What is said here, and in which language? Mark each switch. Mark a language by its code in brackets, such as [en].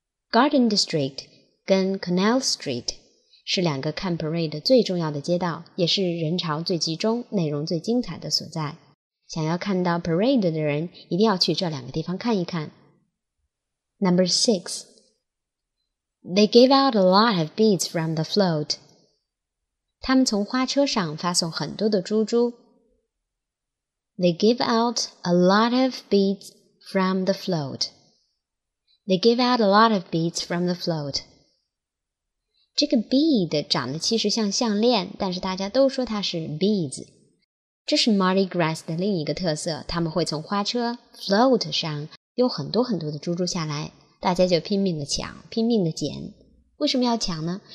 [zh] Garden District 跟 Canal Street 是两个看 parade 最重要的街道，也是人潮最集中、内容最精彩的所在。想要看到 parade 的人，一定要去这两个地方看一看。 [en] Number 6. They gave out a lot of beads from the float. [zh] 他们从花车上发送很多的珠珠。 [en] They give out a lot of beads from the float. They give out a lot of beads from the float. [zh] 这个 bead 长得其实像项链，但是大家都说它是 beads. 这是 Mardi Gras 的另一个特色，他们会从花车 float 上丢很多很多的珠珠下来，大家就拼命的抢，拼命的捡。为什么要抢呢？